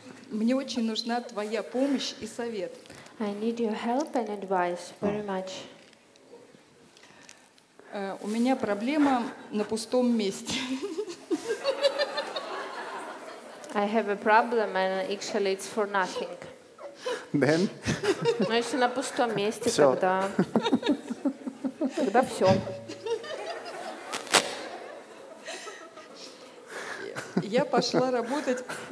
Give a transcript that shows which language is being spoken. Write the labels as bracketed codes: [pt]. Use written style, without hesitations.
[ru] Мне очень нужна твоя помощь и совет. [en] I need your help and advice very much. [ru] У меня проблема на пустом месте. [en] I have a problem and actually it's for nothing. Then? [ru] Ну, если на пустом месте, тогда... Тогда все. Я пошла работать.